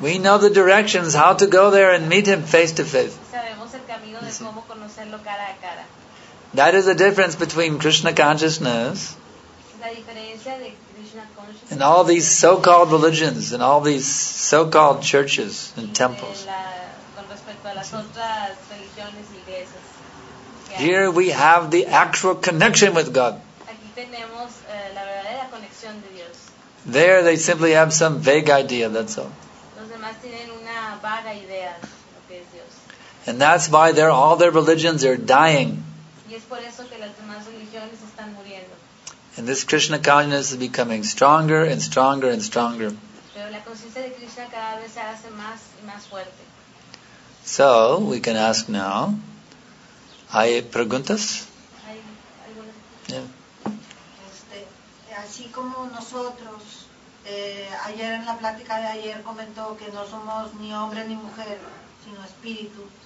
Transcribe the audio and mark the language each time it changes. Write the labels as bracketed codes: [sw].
[en] We know the directions, how to go there and meet him face to face. [es] Sabemos el camino de cómo conocerlo cara a cara. [en] That is the difference between Krishna consciousness, [es] la diferencia de Krishna consciousness [en] and all these so-called religions and all these so-called churches and temples. [es] Con respecto a las otras religiones y iglesias. [en] Here we have the actual connection with God. [es] Aquí tenemos, la verdadera conexión de Dios. [en] There they simply have some vague idea, that's all. [es] demás tienen una vaga idea de lo que es Dios. [en] And that's why they're, all their religions are dying. [es] Y es por eso que las demás religiones están muriendo. [en] And this Krishna consciousness is becoming stronger and stronger and stronger. [es] Pero la conciencia de Krishna cada vez se hace más y más fuerte. [en] So, we can ask now. [es] ¿Hay preguntas? ¿Hay alguna? [en] Yeah. [es] Así como nosotros, ayer en la plática de ayer comentó que no somos ni hombre ni mujer, sino espíritu.